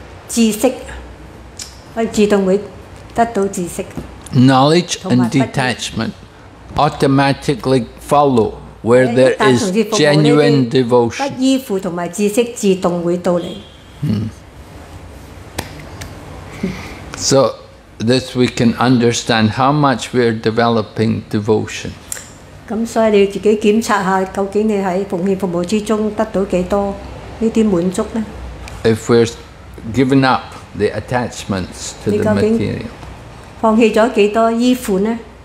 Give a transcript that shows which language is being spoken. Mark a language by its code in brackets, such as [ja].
[yue] 知識，我自動會得到知識 [en] knowledge and detachment automatically follow where there is genuine devotion [yue] 不依附同埋知識自動會到嚟 [en] So this we can understand how much we are developing devotion. If we are giving up the attachments to the material.